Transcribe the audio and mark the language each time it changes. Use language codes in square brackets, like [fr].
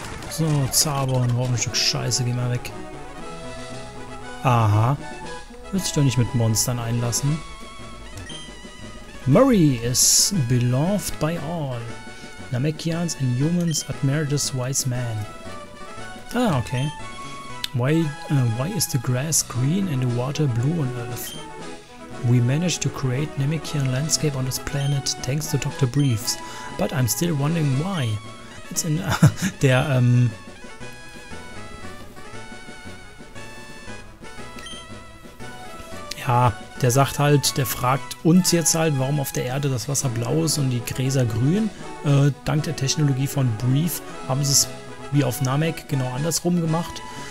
[de] So, Zabon, warum ein Stück Scheiße, geh mal weg. Aha. Willst du dich doch nicht mit Monstern einlassen? [en] Murray is beloved by all. Namekians and humans admire this wise man. Ah, okay. Why is the grass green and the water blue on Earth? We managed to create Namekian landscape on this planet thanks to Dr. Briefs. But I'm still wondering why. It's [de] in der, ja, der sagt halt, der fragt uns jetzt halt, warum auf der Erde das Wasser blau ist und die Gräser grün. Dank der Technologie von Brief haben sie es wie auf Namek genau andersrum gemacht.